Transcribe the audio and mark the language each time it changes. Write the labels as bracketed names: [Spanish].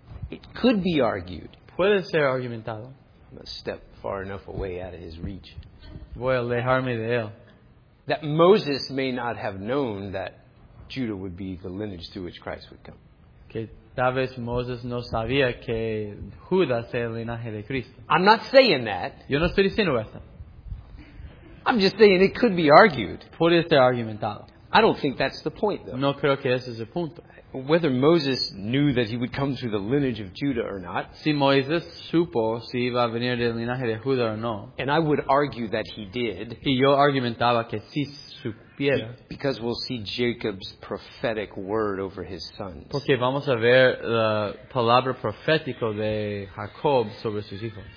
[English] It could be argued. [Spanish] Puede ser argumentado. [English] I'm going to step far enough away out of his reach. [Spanish] Voy a alejarme de él. [English] That Moses may not have known that Judah would be the lineage through which Christ would come. [Spanish] Que tal vez Moses no sabía que Judá sea el linaje de Cristo. [English] I'm not saying that. [Spanish] Yo no estoy diciendo eso. [English] I'm just saying it could be argued. [Spanish] Puede ser argumentado. [English] I don't think that's the point, though. [Spanish] No creo que ese es el punto. [English] Whether Moses knew that he would come through the lineage of Judah or not. [Spanish] Si Moisés supo si iba a venir del linaje de Judá o no. [English] And I would argue that he did. [Spanish] Y yo argumentaba que sí supiera. [English] Because we'll see Jacob's prophetic word over his sons. [Spanish] Porque vamos a ver la palabra profética de Jacob sobre sus hijos.